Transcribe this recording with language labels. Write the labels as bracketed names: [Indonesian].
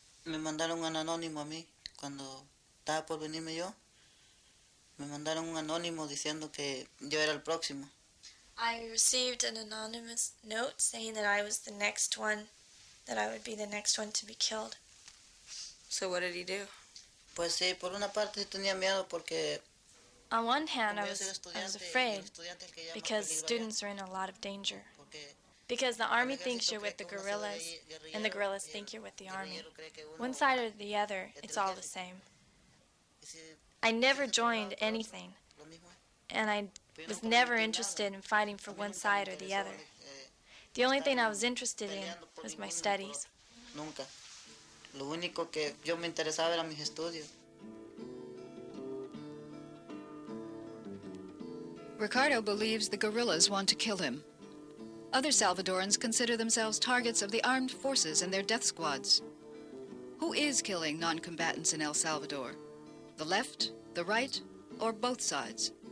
[Spanish] Me mandaron un anónimo a mí cuando estaba por venirme yo. Me mandaron un anónimo diciendo que yo era el próximo. [English] I received an anonymous note saying that I was the next one, that I would be the next one to be killed. So what did he do? [Spanish] Pues sí, por una parte tenía miedo porque... [English] On one hand, I was afraid because students are in a lot of danger. Because the army thinks you're with the guerrillas, and the guerrillas think you're with the army. One side or the other, it's all the same. I never joined anything, and I was never interested in fighting for one side or the other. The only thing I was interested in was my studies. [Spanish] Nunca. Lo único que yo me interesaba era mis estudios. [English] Ricardo believes the guerrillas want to kill him. Other Salvadorans consider themselves targets of the armed forces and their death squads. Who is killing non-combatants in El Salvador? The left, the right, or both sides?